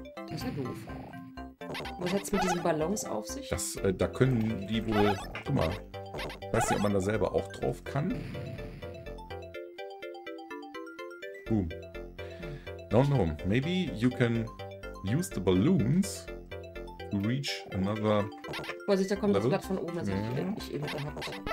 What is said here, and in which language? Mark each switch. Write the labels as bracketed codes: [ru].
[de] Das ist ja doof. Was hat's mit diesen Ballons auf sich? Das, da können die wohl. Guck mal. Weiß nicht, ob man da selber auch drauf kann. [en] Boom. Don't know. Maybe you can use the balloons to reach another. [de] Vorsicht, da kommt das Blatt von oben, also ich eben gehabt.